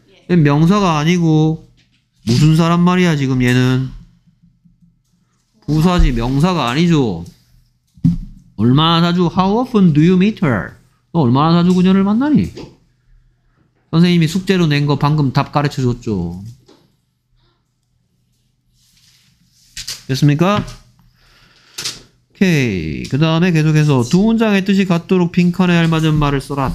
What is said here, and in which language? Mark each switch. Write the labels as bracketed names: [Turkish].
[Korean] 얘 명사가 아니고 무슨 사람 말이야 지금 얘는? 부사지 명사가 아니죠. 얼마나 자주 [English] how often do you meet her? [Korean] 너 얼마나 자주 그녀를 만나니? 선생님이 숙제로 낸 거 방금 답 가르쳐 줬죠. 됐습니까? 오케이. 그 다음에 계속해서 두 문장의 뜻이 같도록 빈칸에 알맞은 말을 써라.